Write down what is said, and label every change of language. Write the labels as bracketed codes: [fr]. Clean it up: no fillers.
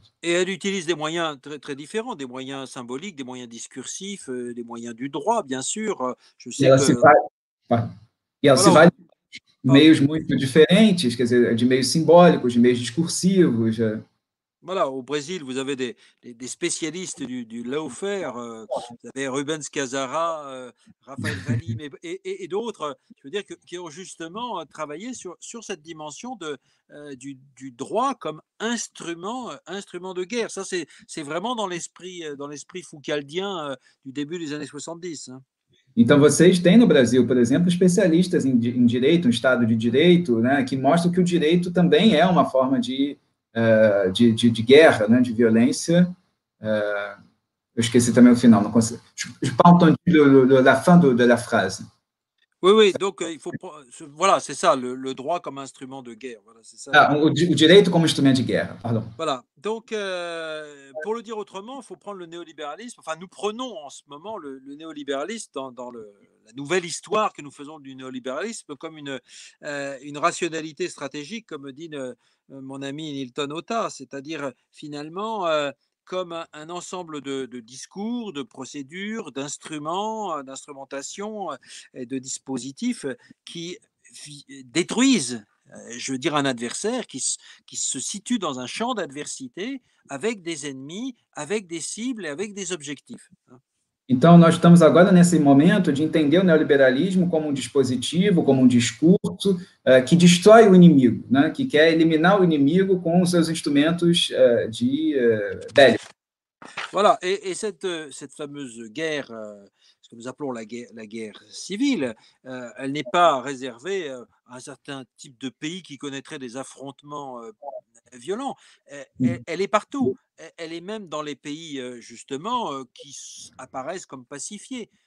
[pt] E ela utiliza [fr] des moyens très, très différents, des moyens symboliques, des moyens discursifs, des moyens du droit, bien sûr. Je sais ela que... [pt] Meios muito diferentes, quer dizer, de meios simbólicos, de meios discursivos. [fr] Voilà, au Brésil, vous avez des spécialistes du lawfare, vous avez Rubens Casara, Rafael Valim et d'autres, je veux dire, qui ont justement travaillé sur cette dimension du droit comme instrument de guerre. Ça, c'est vraiment dans l'esprit foucauldien du début des années 70. [pt] Então, vocês têm no Brasil, por exemplo, especialistas em direito, um estado de direito, né, que mostram que o direito também é uma forma de guerra, né, de violência. Eu esqueci também o final, não consigo. [fr] Je n'ai pas entendu la fin de la phrase. Oui, oui, donc il faut. Voilà, c'est ça, le droit comme instrument de guerre. Voilà, c'est ça. [pt] O direito como instrumento de guerra, [fr] pardon. Voilà, donc pour le dire autrement, il faut prendre le néolibéralisme. Enfin, nous prenons en ce moment le néolibéralisme dans la nouvelle histoire que nous faisons du néolibéralisme comme une rationalité stratégique, comme dit mon ami Nilton Ota, c'est-à-dire finalement comme un ensemble de discours, de procédures, d'instruments, d'instrumentation et de dispositifs qui détruisent, je veux dire, un adversaire qui se situe dans un champ d'adversité avec des ennemis, avec des cibles et avec des objectifs. [pt] Então, nós estamos agora nesse momento de entender o neoliberalismo como um dispositivo, como um discurso que destrói o inimigo, né? Que quer eliminar o inimigo com os seus instrumentos de bélicos. [fr] Voilà, et cette fameuse guerre, ce que nous appelons la guerre civile, elle n'est pas réservée à un certain type de pays qui connaîtrait des affrontements violents. Elle est partout. Elle est même dans les pays, justement, qui apparaissent comme pacifiés.